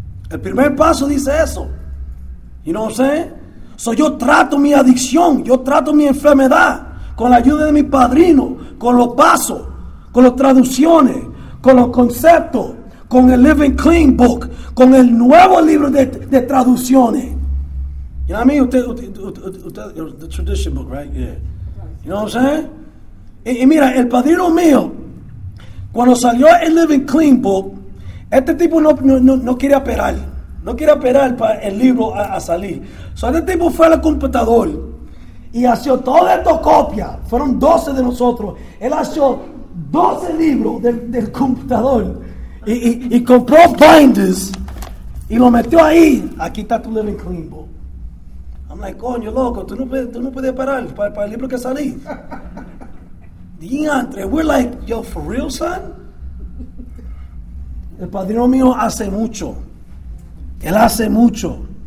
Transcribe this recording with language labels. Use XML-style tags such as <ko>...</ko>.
<es>El primer paso dice eso.</es> <en>You know what I'm saying?</en> <es>So yo trato mi adicción. Yo trato mi enfermedad. Con la ayuda de mi padrino. Con los pasos. Con las traducciones. Con los conceptos. Con el Living Clean Book. Con el nuevo libro de traducciones.</es> <en>You know what I mean? The tradition book, right? Yeah. You know what I'm saying?</en> <es>Y mira, el padrino mío, cuando salió el Living Clean Book, este tipo no quiere esperar. No quiere esperar para el libro a salir. So, este tipo fue al computador y hizo todas estas copias. Fueron 12 de nosotros. Él hizo 12 libros del computador y compró binders y lo metió ahí. Aquí está tu Living Clean Book.</es> <en>I'm like,</en> <es>coño, loco, tú no puedes esperar para el libro que salí.</es> <en>Diantre, we're like, yo, for real, son?</en> <es>El padrino mío hace mucho. Él hace mucho.</es>